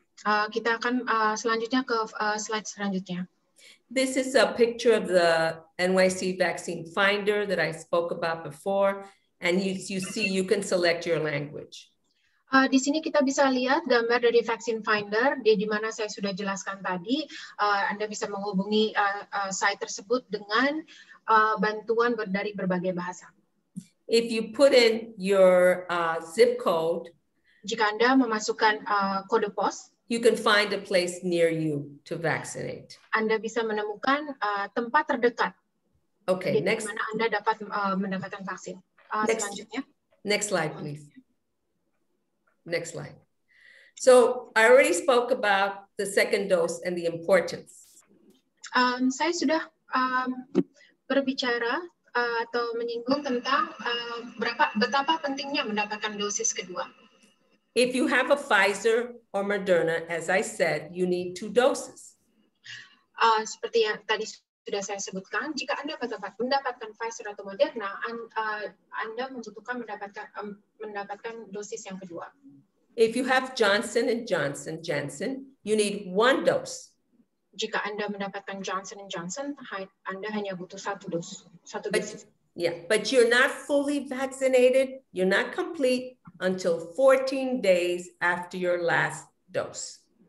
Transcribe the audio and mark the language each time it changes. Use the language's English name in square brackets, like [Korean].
[Indonesian] Kita akan selanjutnya ke slide selanjutnya. [English] This is a picture of the NYC Vaccine Finder that I spoke about before, and you see you can select your language. [Indonesian] Di sini kita bisa lihat gambar dari Vaccine Finder, di mana saya sudah jelaskan tadi. Anda bisa menghubungi site tersebut dengan bantuan dari berbagai bahasa. [English] If you put in your zip code, [Indonesian] jika Anda memasukkan kode pos, [English] you can find a place near you to vaccinate. [Indonesian] Anda bisa menemukan tempat terdekat. [English] Okay, next. [Indonesian] Di mana Anda dapat mendapatkan vaksin. Selanjutnya. [English] Next slide, please. Next slide. So I already spoke about the second dose and the importance. [Indonesian] Saya sudah berbicara atau menyinggung tentang betapa pentingnya mendapatkan dosis kedua. [English] If you have a Pfizer or Moderna, as I said, you need two doses. [Indonesian] Seperti yang tadi sudah saya sebutkan, jika Anda mendapatkan Pfizer atau Moderna, Anda membutuhkan mendapatkan dosis yang kedua. [English] If you have Johnson & Johnson, you need one dose. [Indonesian] Jika Anda mendapatkan Johnson & Johnson, Anda hanya butuh satu dose. [English] But you're not fully vaccinated, you're not complete until 14 days after your last dose.